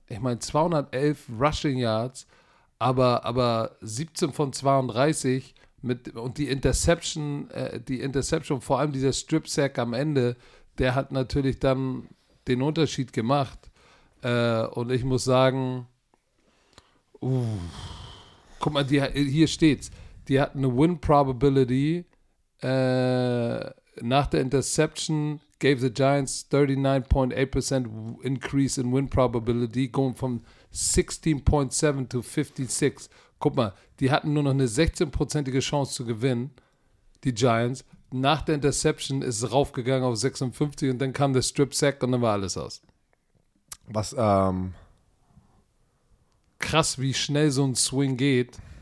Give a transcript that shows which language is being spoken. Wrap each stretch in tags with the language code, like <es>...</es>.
<de>Ich meine, 211 Rushing Yards, aber 17 von 32 mit, und die Interception, vor allem dieser Strip Sack am Ende, der hat natürlich dann den Unterschied gemacht. Und ich muss sagen, guck mal, hier steht's. Die hatten eine Win Probability. Nach der Interception</de> <en>gave the Giants 39.8% increase in Win Probability, going from 16.7 to 56.</en> <de>Guck mal, die hatten nur noch eine 16%ige Chance zu gewinnen, die Giants. Nach der Interception ist es raufgegangen auf 56 und dann kam der Strip Sack und dann war alles aus. Was, krass, wie schnell so ein Swing geht.</de>